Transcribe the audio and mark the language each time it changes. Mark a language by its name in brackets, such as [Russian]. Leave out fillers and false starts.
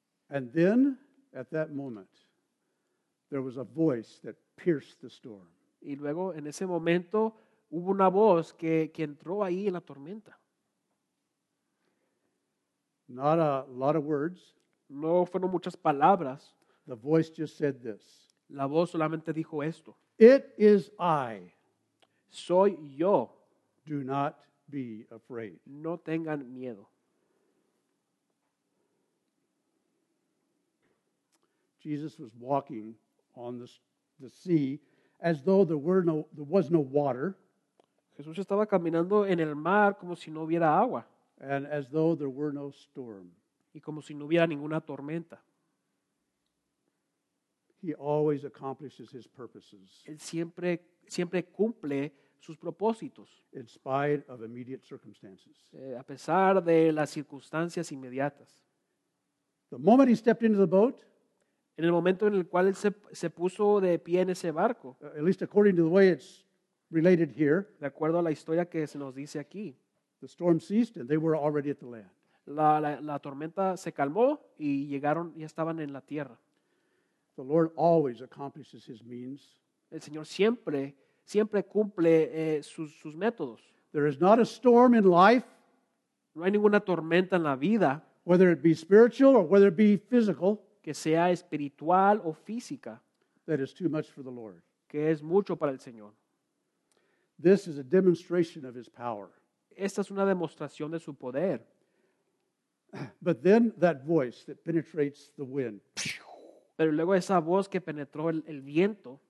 [English] And then, at that moment, there was a voice that pierced the storm. [Spanish] Y luego, en ese momento, hubo una voz que entró ahí en la tormenta. [English] Not a lot of words. [Spanish] No fueron muchas palabras. [English] The voice just said this. [Spanish] La voz solamente dijo esto. [English] It is I. [Spanish] Soy yo. [English] Do not be afraid. [Spanish] No tengan miedo. [English] Jesus was walking on the sea as though there was no water. [Spanish] Jesús estaba caminando en el mar como si no hubiera agua. [English] And as though there were no storm. [Spanish] Y como si no hubiera ninguna tormenta. [English] He always accomplishes his purposes. [Spanish] Él siempre cumple sus propósitos. [English] In spite of immediate circumstances. [Spanish] A pesar de las circunstancias inmediatas. [English] The moment he stepped into the boat, [Spanish] en el momento en el cual él se puso de pie en ese barco, [English] at least according to the way it's related here, [Spanish] de acuerdo a la historia que se nos dice aquí, [English] the storm ceased and they were already at the land. [Spanish] La tormenta se calmó y llegaron, ya estaban en la tierra. [English] The Lord always accomplishes his means. [Spanish] El Señor siempre cumple sus métodos. [English] There is not a storm in life. [Spanish] No hay ninguna tormenta en la vida. [English] Whether it be spiritual or whether it be physical. [Spanish] Que sea espiritual o física. [English] That is too much for the Lord. [Spanish] Que es mucho para el Señor. [English] This is a demonstration of his power. [Spanish] Esta es una demostración de su poder. [English] But then that voice that penetrates the wind. [Spanish] Pero luego esa voz que penetró el viento.